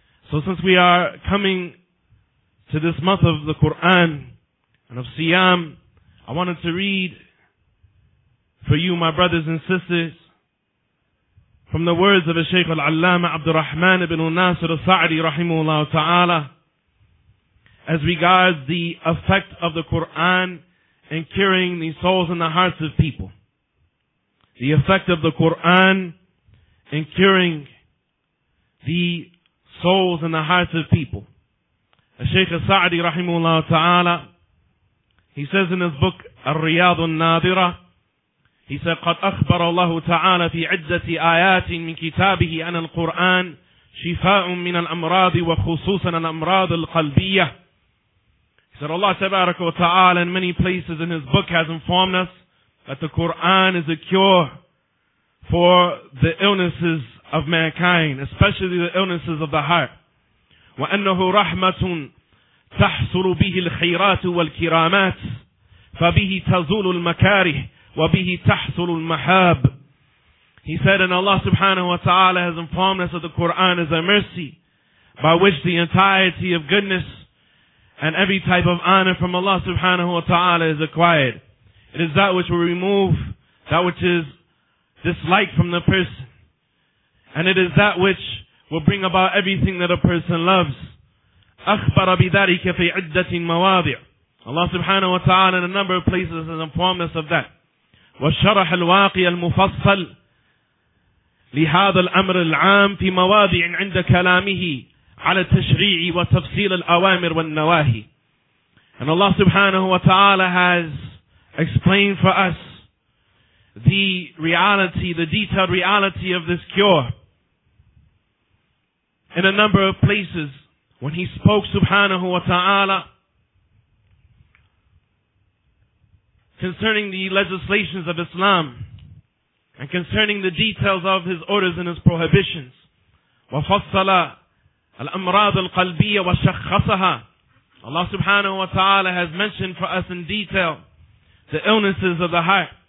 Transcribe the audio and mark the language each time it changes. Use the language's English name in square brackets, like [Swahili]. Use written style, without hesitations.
[English] So since we are coming to this month of the Quran and of Siyam, I wanted to read for you, my brothers and sisters, from the words of Shaykh al-Allama Abdul Rahman ibn Nasir al-Sa'di rahimahullah ta'ala, as regards the effect of the Qur'an in curing the souls and the hearts of people. The effect of the Qur'an in curing the souls and the hearts of people. Shaykh al-Sa'di rahimahullah ta'ala, he says in his book, Al-Riyadu al-Nadira, he said, [Arabic] قَدْ أَخْبَرَ اللَّهُ تَعَالَى فِي عِدَّةِ آيَاتٍ مِنْ كِتَابِهِ أَنَا الْقُرْآنِ شِفَاءٌ مِنَ الْأَمْرَاضِ وَخُصُوصًا الْأَمْرَاضِ الْقَلْبِيَّةِ. [English] He said, Allah subhanahu wa ta'ala in many places in his book has informed us that the Qur'an is a cure for the illnesses of mankind, especially the illnesses of the heart. [Arabic] وَأَنَّهُ رَحْمَةٌ تَحْصُرُ بِهِ الْخِيرَاتُ وَالْكِرَامَاتِ فَبِهِ تَزُولُ الْمَكَارِهِ وَبِهِ تَحْصُلُ الْمَحَابِ. [English] He said, and Allah subhanahu wa ta'ala has informed us that the Qur'an is a mercy by which the entirety of goodness and every type of honor from Allah subhanahu wa ta'ala is acquired. It is that which will remove that which is disliked from the person. And it is that which will bring about everything that a person loves. [Arabic] أَخْبَرَ بِذَلِكَ فِي عِدَّةٍ مَوَاضِعٍ. [English] Allah subhanahu wa ta'ala in a number of places has informed us of that. [Arabic] وشرح الواقع المفصل لهذا الأمر العام في مواضع عند كلامه على التشريع وتفصيل الأوامر والنواهي. [English] And Allah subhanahu wa ta'ala has explained for us the reality, the detailed reality of this cure in a number of places. When he spoke subhanahu wa ta'ala concerning the legislations of Islam and concerning the details of his orders and his prohibitions, [Arabic] وَفَصَّلَ الْأَمْرَاضَ الْقَلْبِيَّ وَشَخَّصَهَا, [English] Allah subhanahu wa ta'ala has mentioned for us in detail the illnesses of the heart.